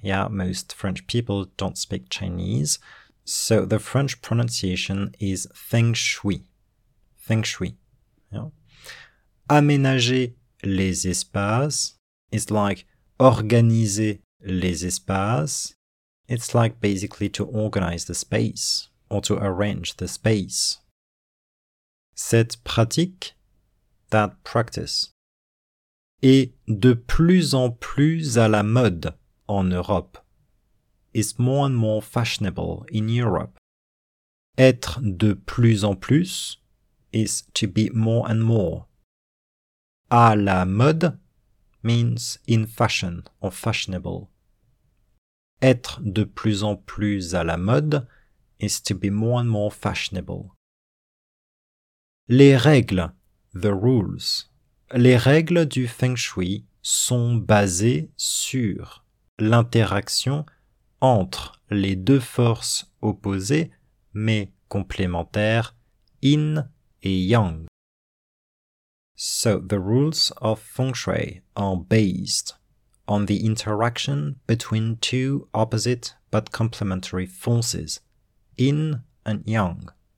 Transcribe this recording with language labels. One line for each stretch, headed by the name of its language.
English: Yeah, most French people don't speak Chinese. So the French pronunciation is Feng Shui. Feng Shui. Yeah.
French: Aménager les espaces
English: is like
French: organiser les espaces.
English: It's like basically to organize the space or to arrange the space.
French: Cette pratique,
English: that practice,
French: est de plus en plus à la mode en Europe.
English: Is more and more fashionable in Europe.
French: Être de plus en plus
English: is to be more and more.
French: À la mode
English: means in fashion or fashionable.
French: Être de plus en plus à la mode
English: is to be more and more fashionable.
French: Les règles,
English: the rules,
French: les règles du feng shui sont basées sur l'interaction entre les deux forces opposées mais complémentaires, yin et yang.
English: So the rules of feng shui are based on the interaction between two opposite but complementary forces, yin and yang.